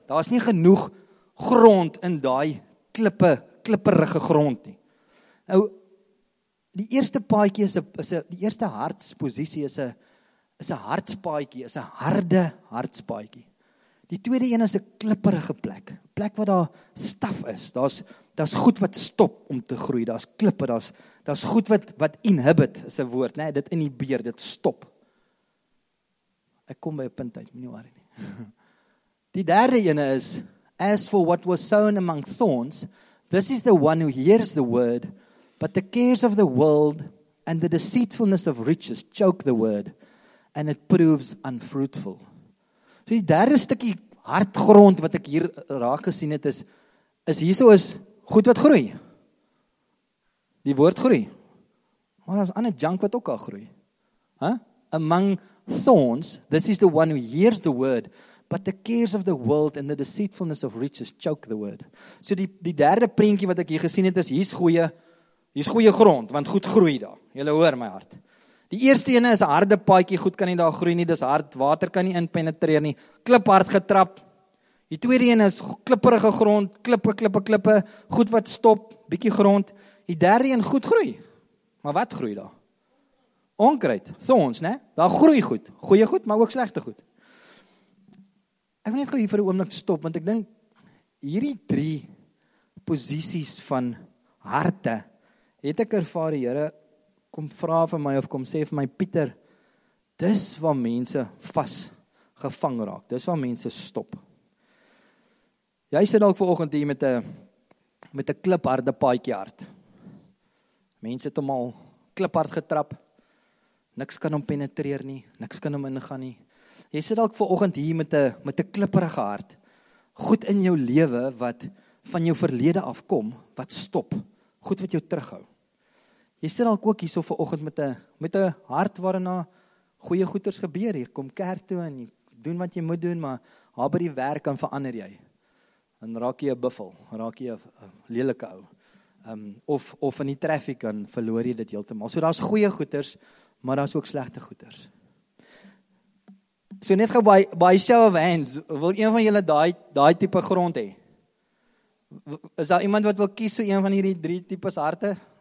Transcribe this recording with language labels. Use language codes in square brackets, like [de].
[af] Daar's nie genoeg grond in daai klippe, klipperige grond nie. Nou die eerste paadjie die eerste hartsposisie is 'n hartspaadjie, is 'n harde hartspaadjie. Die tweede een is 'n klipperige plek. Plek waar daar staf is. Daar's goed wat stop om te groei. Daar's klippe, daar's goed wat inhibit is 'n woord, né? Nee, dit inhibeer, dit stop. Ek kom by 'n punt uit, moenie worry nie. Die derde ene is as [en] for what was sown among thorns, this is the one who hears the word, but the cares of the world and the deceitfulness of riches choke the word and it proves unfruitful. [af] So die derde stukkie hartgrond wat ek hier raak gesien het is hierso is goed wat groei. Die woord groei. Maar daar's ander junk wat ook al groei. Huh? [en] Among thorns, this is the one who hears the word, but the cares of the world and the deceitfulness of riches choke the word. [af] So die derde prentjie wat ek hier gesien het is hier's goeie grond want goed groei daar. Julle hoor my hart. Die eerste ene is 'n harde paadjie, goed kan nie daar groei nie, dis hard, water kan nie inpenetreer nie. Klip hard getrap. Die tweede een is klipperige grond, klippe, goed wat stop, bietjie grond. Die derde een goed groei. Maar wat groei daar? Onkruid, thorns, né? Daar groei goed, goeie goed, maar ook slegte goed. Ek wil net gou hier vir 'n oomblik stop want ek dink hierdie drie posisies van harte het ek ervaar die Here kom vra vir my of kom sê vir my Pieter, dis waar mense vas gevang raak. Dis waar mense stop. Jy sit dalk vanoggend hier met 'n klipharde paadjie hart. Mense het hom al kliphard getrap. Niks kan hom penetreer nie, niks kan hom ingaan nie. Jy sit dalk vanoggend hier met 'n klipperige hart. Goed in jou lewe wat van jou verlede af kom, wat stop. Goed wat jou terughou. Jy sit dalk ook hierso vanoggend met 'n hart waarna goeie goeders gebeur. Jy kom kerk toe en jy doen wat jy moet doen, maar haar by die werk kan verander jy. En raak jy 'n buffel, raak jy 'n lelike ou. Of in die traffic kan verloor jy dit heeltemal. So daar's goeie goeders, maar daar's ook slegte goeders. So net gou by [en] show of hands, [af] wil een van julle daai tipe grond hê? Is daar iemand wat wil kies so een van hierdie drie tipes harte?